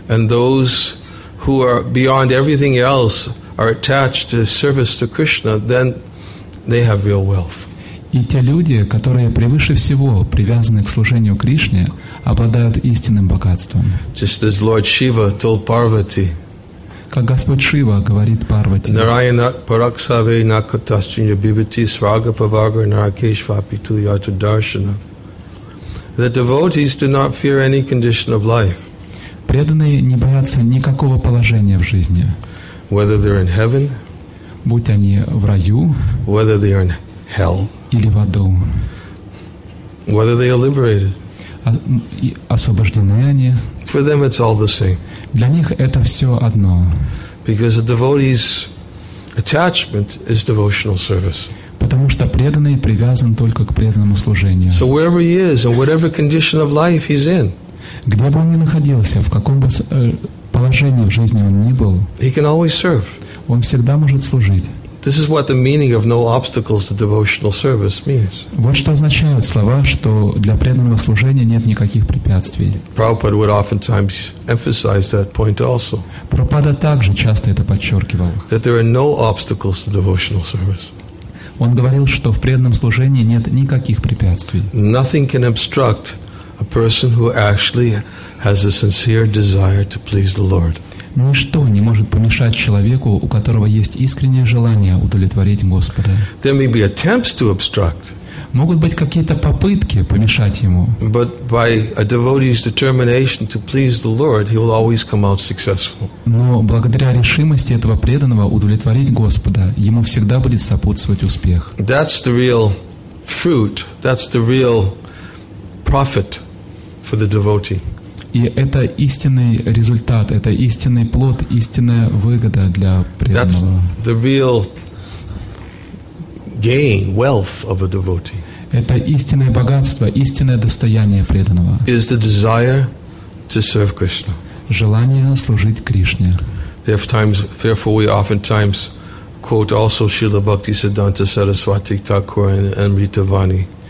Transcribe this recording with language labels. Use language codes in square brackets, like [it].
[en] And those who are beyond everything else are attached to service to Krishna, then they have real wealth. [ru] И те люди, которые превыше всего привязаны к служению Кришне, обладают истинным богатством. [en] Just as Lord Shiva told Parvati. [ru] Как Господь Шива говорит Парвати. [sa] Narayana paraksave nakatashchinya bibhati svarga pavagra narakeshvapitu yata darshana. [en] The devotees do not fear any condition of life. [ru] Преданные не боятся никакого положения в жизни. [en] Whether they're in heaven. [ru] Будь они в раю. [en] Whether they're in hell. [ru] Или в аду. [en] Whether they are liberated. [ru] Освобождены они. [en] For them it's all the same. [ru] Для них это все одно. [en] Because a devotee's attachment is devotional service. [ru] Потому что преданный привязан только к преданному служению. [en] So wherever he is and whatever condition of life he's in. [ru] Где бы он ни находился, в каком бы положении в жизни он ни был. [en] He can always serve. [ru] Он всегда может служить. [en] This is what the meaning of no obstacles to devotional service means. [ru] Вот что означают слова, что для преданного служения нет никаких препятствий. [en] Prabhupada would oftentimes emphasize that point also. [ru] Прабхупада также часто это подчеркивал. [en] That there are no obstacles to devotional service. [ru] Он говорил, что в преданном служении нет никаких препятствий. [en] Nothing can obstruct a person who actually has a sincere desire to please the Lord. [ru] Ничто не может помешать человеку, у которого есть искреннее желание удовлетворить Господа. [en] There may be attempts to obstruct. [ru] Могут быть какие-то попытки помешать ему. [en] But by a devotee's determination to please the Lord, he will always come out successful. [ru] Но благодаря решимости этого преданного удовлетворить Господа, ему всегда будет сопутствовать успех. [en] That's the real fruit. That's the real profit for the devotee. [ru] И это истинный результат, это истинный плод, истинная выгода для преданного. [en] That's the real gain, wealth of a devotee. [ru] Это истинное богатство, истинное достояние преданного. [en] Is the desire to serve Krishna. [ru] Желание служить Кришне. [en] Therefore, we oftentimes quote also Srila Bhaktisiddhanta Saraswati Thakur and Amrita Vani.